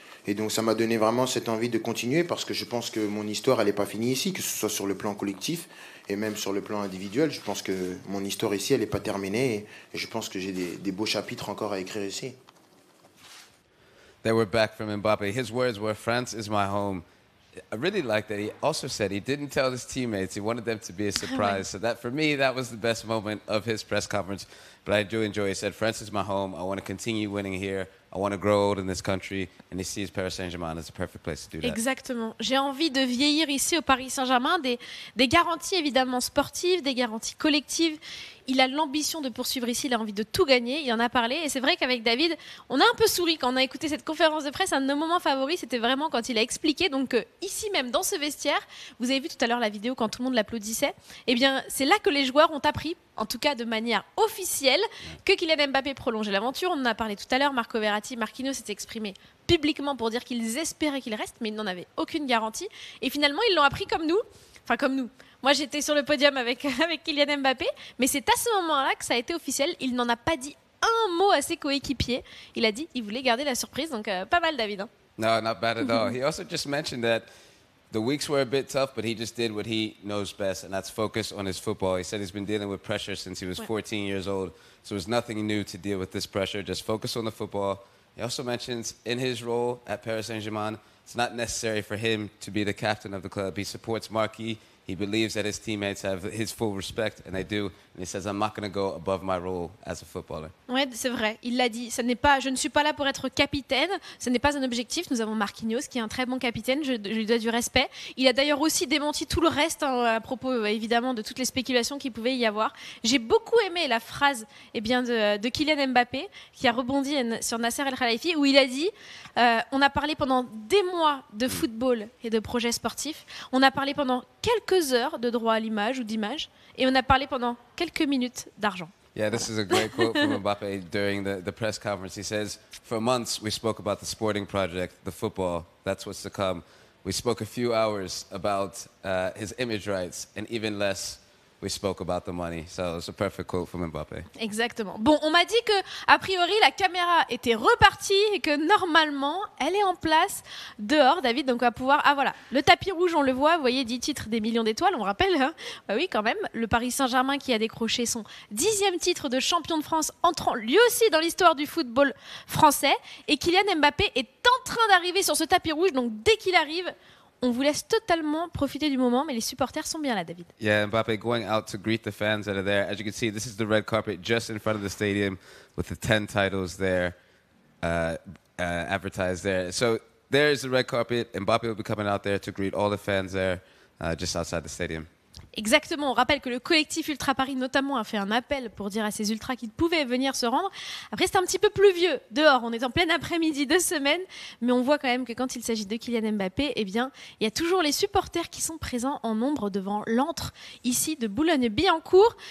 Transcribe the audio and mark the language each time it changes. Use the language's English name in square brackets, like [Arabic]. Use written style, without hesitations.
[French] Et donc, ça m'a donné vraiment cette envie de continuer parce que je pense que mon histoire, elle n'est pas finie ici, que ce soit sur le plan collectif et même sur le plan individuel. Je pense que mon histoire ici, elle n'est pas terminée. Et je pense que j'ai des beaux chapitres encore à écrire ici. [English] They were back from Mbappé. His words were, France is my home. I really like that he also said he didn't tell his teammates. He wanted them to be a surprise. So that, for me, that was the best moment of his press conference. But I do enjoy, he said, France is my home. I want to continue winning here. I want to grow old in this country. And he sees Paris Saint-Germain as a perfect place to do that. [French] Exactement. J'ai envie de vieillir ici au Paris Saint-Germain. Des garanties, évidemment, sportives, des garanties collectives. Il a l'ambition de poursuivre ici, il a envie de tout gagner, il en a parlé. Et c'est vrai qu'avec David, on a un peu souri quand on a écouté cette conférence de presse. Un de nos moments favoris, c'était vraiment quand il a expliqué, donc ici même, dans ce vestiaire, vous avez vu tout à l'heure la vidéo quand tout le monde l'applaudissait, eh bien, c'est là que les joueurs ont appris, en tout cas de manière officielle, que Kylian Mbappé prolongeait l'aventure. On en a parlé tout à l'heure, Marco Verratti, Marquinhos s'est exprimé publiquement pour dire qu'ils espéraient qu'il reste, mais ils n'en avaient aucune garantie. Et finalement, ils l'ont appris comme nous, enfin comme nous. Moi, j'étais sur le podium avec Kylian Mbappé, mais c'est à ce moment-là que ça a été officiel. Il n'en a pas dit un mot à ses coéquipiers. Il a dit qu'il voulait garder la surprise, donc pas mal, David. Hein. [English] No, not bad at all. He also just mentioned that the weeks were a bit tough, but he just did what he knows best, and that's focus on his football. He said he's been dealing with pressure since he was 14 years old, so there's nothing new to deal with this pressure. Just focus on the football. He also mentions in his role at Paris Saint-Germain, it's not necessary for him to be the captain of the club. He supports Marquis. He believes that his teammates have his full respect, and they do. And he says, "I'm not going to go above my role as a footballer." [French] Ouais, c'est vrai. Il l'a dit. Ça n'est pas. Je ne suis pas là pour être capitaine. Ce n'est pas un objectif. Nous avons Marquinhos, qui est un très bon capitaine. Je lui dois du respect. Il a d'ailleurs aussi démenti tout le reste hein, à propos, évidemment, de toutes les spéculations qu'il pouvait y avoir. J'ai beaucoup aimé la phrase, eh bien, de Kylian Mbappé, qui a rebondi sur Nasser El Khelaifi, où il a dit "On a parlé pendant des mois de football et de projets sportifs. On a parlé pendant quelques heures de droit à l'image ou d'image et on a parlé pendant quelques minutes d'argent." [English] Yeah, this is a great quote from Mbappe during the press conference. He says, "For months we spoke about the sporting project, the football, that's what's to come. We spoke a few hours about his image rights and even less we spoke about the money." So it's a perfect quote from Mbappé. [French] Exactement. Bon, on m'a dit que a priori la caméra était repartie et que normalement elle est en place dehors, David. Donc on va pouvoir. Ah voilà, le tapis rouge, on le voit. Vous voyez, 10 titres, des millions d'étoiles. On rappelle, hein. Bah oui, quand même. Le Paris Saint-Germain qui a décroché son 10e titre de champion de France, entrant lui aussi dans l'histoire du football français. Et Kylian Mbappé est en train d'arriver sur ce tapis rouge. Donc dès qu'il arrive, on vous laisse totalement profiter du moment, mais les supporters sont bien là, David. [English] Yeah, Mbappé going out to greet the fans that are there. As you can see, this is the red carpet just in front of the stadium with the 10 titles there, advertised there. So there is the red carpet. Mbappé will be coming out there to greet all the fans there just outside the stadium. [French] Exactement, on rappelle que le collectif Ultra Paris notamment a fait un appel pour dire à ses ultras qu'ils pouvaient venir se rendre. Après, c'est un petit peu pluvieux dehors, on est en plein après-midi de semaine, mais on voit quand même que quand il s'agit de Kylian Mbappé, eh bien, il y a toujours les supporters qui sont présents en nombre devant l'antre ici de Boulogne-Billancourt.